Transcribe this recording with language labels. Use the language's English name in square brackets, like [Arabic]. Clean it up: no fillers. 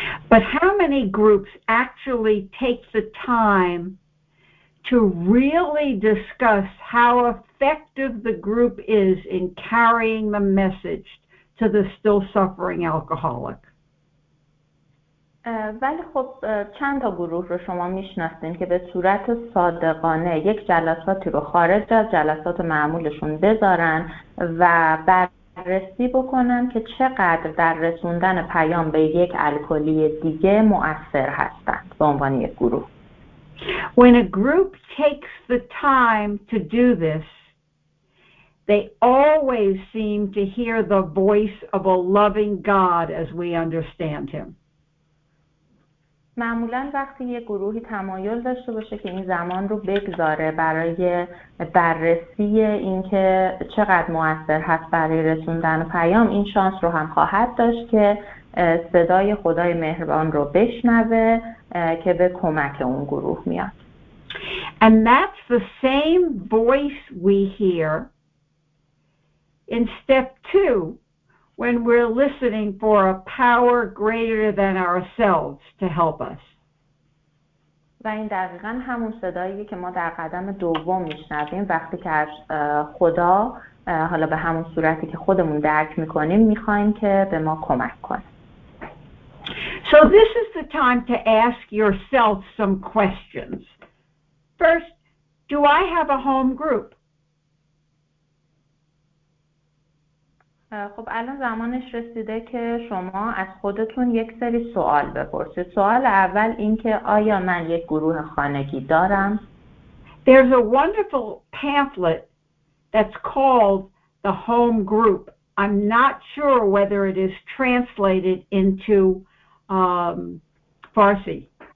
[English] But how many groups actually take the time to really discuss how effective the group is in carrying the message to the still suffering alcoholic? [Persian] ولی خب چند تا گروه رو شما میشناسین که به صورت صادقانه یک جلساتی رو خارج از جلسات معمولشون بذارن و بررسی بکنن که چقدر در رسوندن پیام به یک الکلی دیگه مؤثر هستند به عنوان یک گروه. [English] When a group takes the time to do this, they always seem to hear the voice of a loving God as we understand him. [Persian] معمولاً وقتی یک گروهی تمایل داشته باشه که این زمان رو بگذاره برای بررسی اینکه چقدر مؤثر هست برای رسوندن پیام، این شانس رو هم خواهد داشت که صدای خدای مهربان رو بشنوه که به کمک اون گروه میاد. [English] And that's the same voice we hear in step two when we're listening for a power greater than ourselves to help us. [Persian] و این دقیقا همون صداییه که ما در قدم دوم میشنویم وقتی که از خدا حالا به همون صورتی که خودمون درک میکنیم میخواییم که به ما کمک کنه. [English] So this is the time to ask yourself some questions. First, do I have a home group? [Persian] خب الان زمانش رسیده که شما از خودتون یک سری سوال بپرسید. سوال اول این که آیا من یک گروه خانگی دارم؟ [English] There's a wonderful pamphlet that's called The Home Group. I'm not sure whether it is translated into Farsi.